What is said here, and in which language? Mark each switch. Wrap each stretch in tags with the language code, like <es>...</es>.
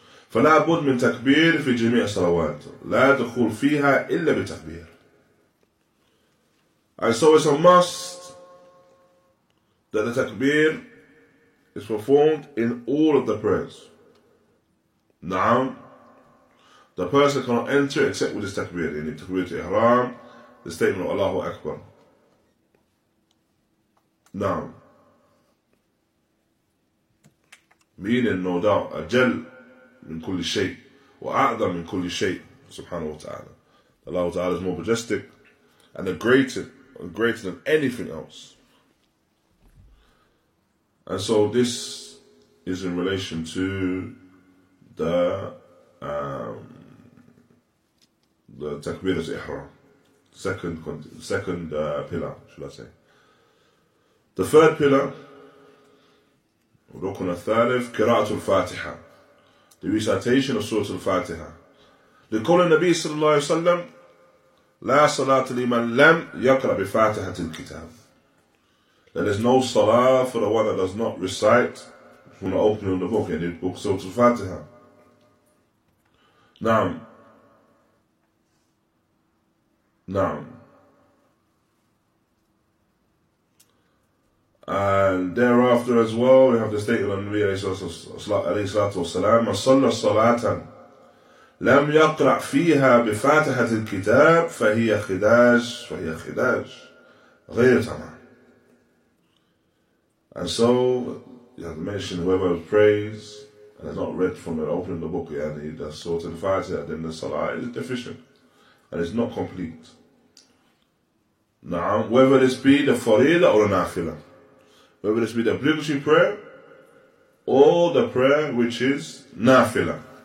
<ar>فلا بد من تكبير في جميع الصلوات. لا دخول فيها إلا بتكبير.</ar> <en>And so it's a must that the takbir is performed in all of the prayers.</en> <ar>نعم.</ar> <en>The person cannot enter except with this takbir. In the takbir to ihram, the statement of Allahu Akbar.</en> <ar>نعم.</ar> <en>Meaning, no doubt, ajal min kulli shay,</en> <ar>وأعظم من كل شيء سبحانه وتعالى.</ar> <en>Allah Ta'ala is more majestic and greater than anything else. And so this is in relation to the Takbir al-Ihram, second pillar, should I say. The third pillar, Rukun al-Thalif, Qira'at al-Fatiha, the recitation of Surah al-Fatiha. The call of Nabi</en> <ar>Sallallahu Alaihi Wasallam, لا صلاة لمن لم يقرأ بفاتحة الكتاب.</ar> <en>There is no salah for the one that does not recite from the opening of the book, any book, Surah al-Fatiha. Now, and thereafter as well, we have the statement of the Nabi</en> <ar>عليه الصلاة والسلام, من صلى صلاة لم يقرأ فيها بفاتحة الكتاب فهي خداج غير تمام.</ar> <en>And so, you have mentioned whoever prays and has not read from the opening of the book, يعني the Surah al-Fatiha, then the Salah is deficient and it's not complete. Now, whether this be the Farida or the Nafila, whether this be the obligatory prayer or the prayer which is Nafila.</en>